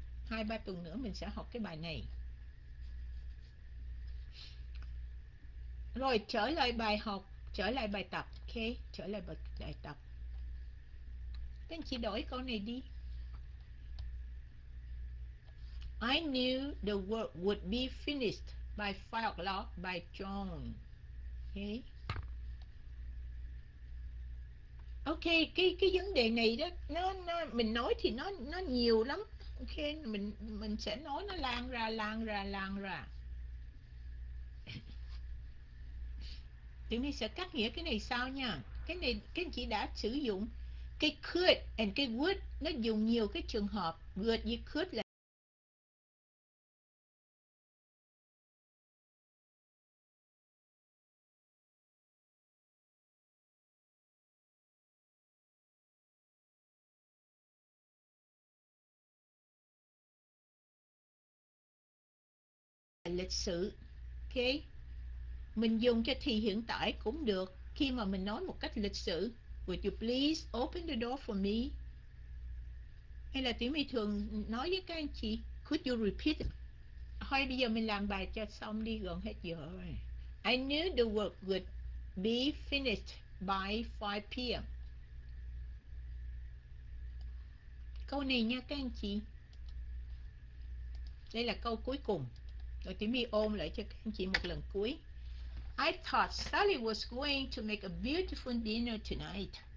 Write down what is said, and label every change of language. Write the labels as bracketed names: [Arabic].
[Vietnamese] 2-3 tuần nữa mình sẽ học cái bài này. Rồi trở lại bài học, trở lại bài tập. Ok, trở lại bài tập. Các anh chị đổi câu này đi. [English] I knew the work would be finished by 5 o'clock by John. Ok. [Vietnamese] Ok, cái vấn đề này đó, nó mình nói thì nó nhiều lắm. Ok, mình sẽ nói nó lan ra. Tụi mình sẽ cắt nghĩa cái này sau nha. Cái này các anh chị đã sử dụng cái could and cái would, nó dùng nhiều cái trường hợp. Would với could là lịch sử. Ok, mình dùng cho thì hiện tại cũng được, khi mà mình nói một cách lịch sử. [English] Would you please open the door for me? [Vietnamese] Hay là tiếng Mỹ thường nói với các anh chị, [English] could you repeat it? [Vietnamese] Thôi bây giờ mình làm bài cho xong đi, gần hết giờ rồi. [English] I knew the work would be finished by 5 p.m. [Vietnamese] Câu này nha các anh chị, đây là câu cuối cùng. Rồi tí mi ôm lại cho các anh chị một lần cuối. [English] I thought Sally was going to make a beautiful dinner tonight.